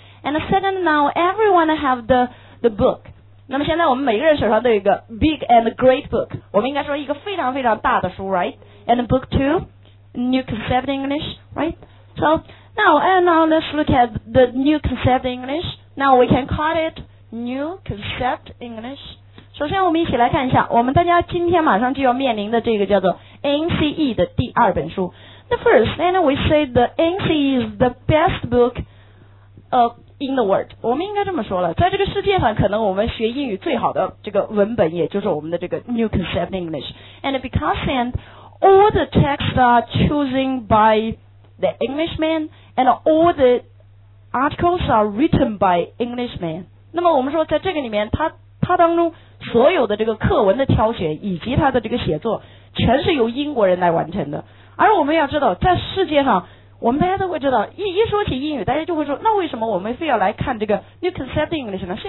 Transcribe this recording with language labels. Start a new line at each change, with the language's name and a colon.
English: And the second, now everyone have the book.
Chinese: 那么现在我们每个人手上都有一个
English: big and great book，
Chinese: 我们应该说一个非常非常大的书，
English: right? And the book two, new concept English, right? SoNow, let's look at the new concept English. Now, we can call it new concept English.
Chinese: 首先，我们一起来看一下，我们大家今天马上就要面临的这个叫做 NCE 的第二本书。
English: The first, and we say the NCE is the best book, in the world.
Chinese: 我们应该这么说了，在这个世界上，可能我们学英语最好的这个文本，也就是我们的这个 new concept English.
English: And because and all the texts are chosen by... The Englishman and all the articles are written by Englishman.
Chinese: 那么我们说在这个里面 他当中所有的这个课文的挑选以及他的这个写作全是由英国人来完成的。而我们要知道在世界上我们大家都会知道 一说起英语大家就会说那为什么我们非要来看这个 New Concept English 呢？